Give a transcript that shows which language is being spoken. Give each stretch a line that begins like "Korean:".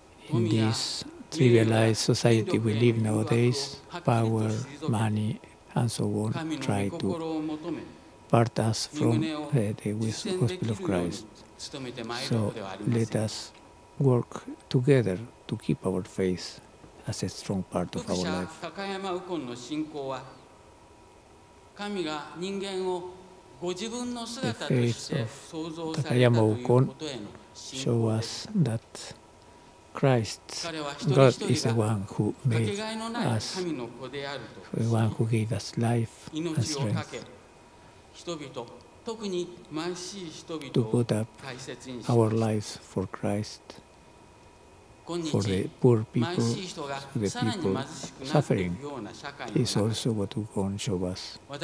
English: In this trivialized society we live nowadays, power, money, and so on, try to part us from the gospel of Christ. So let us work together to keep our faith as a strong part of our life.
Japanese: 高山ウコンの信仰は、神が人間をご自分の姿として創造されたということへの信仰です。
English: Christ, God is the one who made us, the one who gave us life and strength.
Japanese: 特に貧しい人々を大切にし
English: our lives for Christ, for the poor people, the people suffering, is also what we can show us.